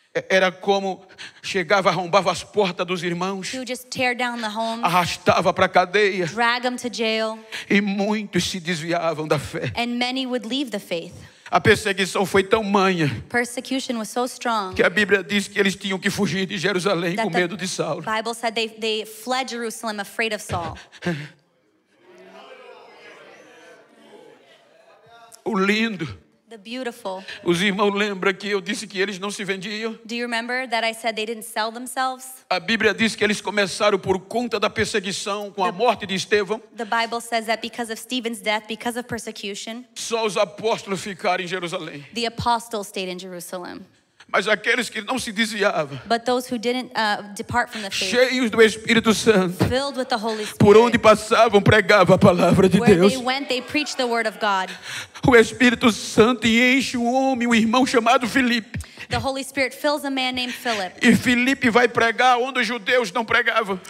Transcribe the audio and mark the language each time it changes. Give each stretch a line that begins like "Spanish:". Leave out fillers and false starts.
Portuguese: Era como chegava, arrombava as portas dos irmãos.
English: He would just tear down the homes.
Portuguese: Arrastava para a cadeia.
English: Drag them to jail.
Portuguese: E muitos se desviavam da fé.
English: And many would leave the faith.
Portuguese: A perseguição foi tão manha.
English: Persecution was so strong.
Portuguese: Que a Bíblia diz que eles tinham que fugir de Jerusalém com medo de Saulo.
English: The Bible said they fled Jerusalem afraid of Saul.
Portuguese: O lindo.
English: The beautiful.
Portuguese: Os irmãos lembram que eu disse que eles não se vendiam?
English: Do you remember that I said they didn't sell themselves?
Portuguese: A Bíblia diz que eles começaram por conta da perseguição com a morte de Estevão.
English: The Bible says that because of Stephen's death, because of persecution.
Portuguese: Só os apóstolos ficaram em Jerusalém.
English: The apostles stayed in Jerusalem.
Portuguese: Mas aqueles que não se desviavam.
English: But those who didn't depart from the faith.
Portuguese: Cheios do Espírito Santo.
English: Filled with the Holy Spirit.
Portuguese: Por onde passavam, pregava a palavra de
English: Where
Portuguese: Deus.
English: Where they went, they preached the word of God.
Portuguese: O Espírito Santo enche um homem, um irmão chamado Filipe.
English: The Holy Spirit fills a man named Philip.
Portuguese: E Filipe vai pregar onde os judeus não pregavam.